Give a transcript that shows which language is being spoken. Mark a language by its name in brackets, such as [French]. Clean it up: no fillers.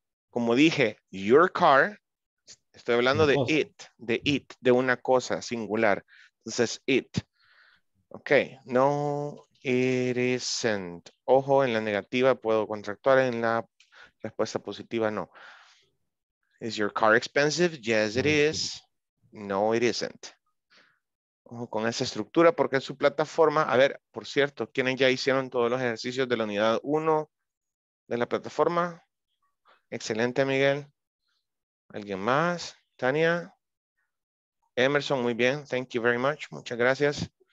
[Spanish] Como dije, [English] your car, [Spanish] estoy hablando de it, de una cosa singular. Entonces, it. [English] Ok, no. It isn't. [Spanish] Ojo, en la negativa puedo contractuar, en la respuesta positiva no. [English] Is your car expensive? Yes, it is. No, it isn't. [Spanish] con esa estructura, porque es su plataforma. A ver, por cierto, ¿quiénes ya hicieron todos los ejercicios de la unidad 1 de la plataforma? Excelente, Miguel. ¿Alguien más? Tania. Emerson, muy bien. [English] Thank you very much. [Spanish] Muchas gracias.